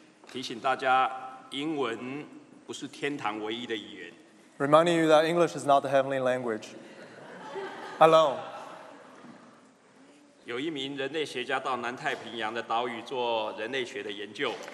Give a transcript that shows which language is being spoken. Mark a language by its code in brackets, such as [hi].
[zh] 提醒大家，英文不是天堂唯一的语言。 [en] Reminding you that English is not the heavenly language alone. [zh] 有一名人类学家到南太平洋的岛屿做人类学的研究。